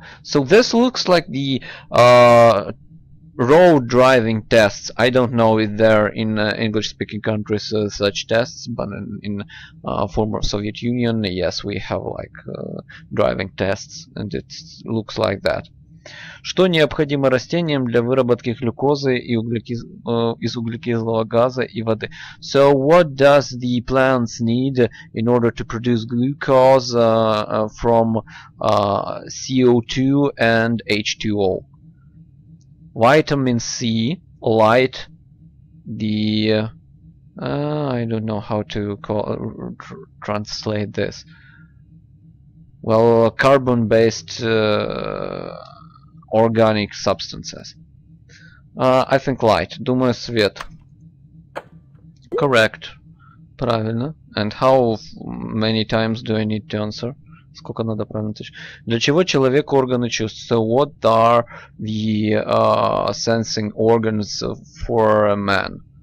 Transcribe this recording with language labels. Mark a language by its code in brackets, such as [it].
[en] So this looks like the road driving tests. I don't know if there in English-speaking countries such tests, but in former Soviet Union, yes, we have like driving tests, and it looks like that. [ru] Что необходимо растениям для выработки глюкозы и из углекислого газа и воды? [en] So what does the plants need in order to produce glucose from CO2 and H2O? Vitamin C, light, the I don't know how to call translate this. Well, carbon-based organic substances. I think light. [ru] Думаю, свет. [en] Correct. [ru] Правильно. [en] And how many times do I need to answer? [ru] Сколько надо правильно отвечать? Для чего человеку органы чувств? [en] So what are the sensing organs for a man?